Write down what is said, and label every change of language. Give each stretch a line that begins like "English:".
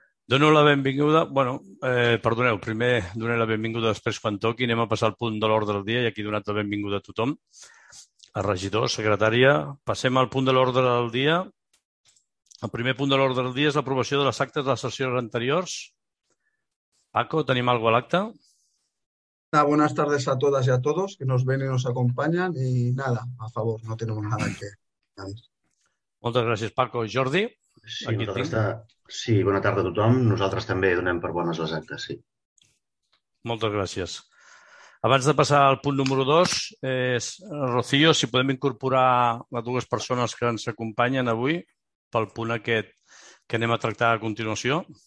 Catalan: Dono la benvinguda, perdoneu, primer donaré la benvinguda, després quan toqui, anem a passar el punt de l'ordre del dia i aquí he donat la benvinguda a tothom, a regidor, secretària. Passem al punt de l'ordre del dia. El primer punt de l'ordre del dia és l'aprovació de les actes de les sessions anteriors. Paco, tenim alguna cosa a l'acte?
Spanish: Nada, buenas tardes a todas y a todos que nos ven y nos acompañan y nada, a favor, no tenemos nada que añadir.
Catalan: Moltes gràcies, Paco. Jordi, sí, aquí tinc. Sí, bona tarda a tothom. Nosaltres també donem per bones les actes, sí. Moltes gràcies. Abans de passar al punt número 2, Rocío, si podem incorporar les dues persones que ens acompanyen avui pel punt aquest que anem a tractar a continuació.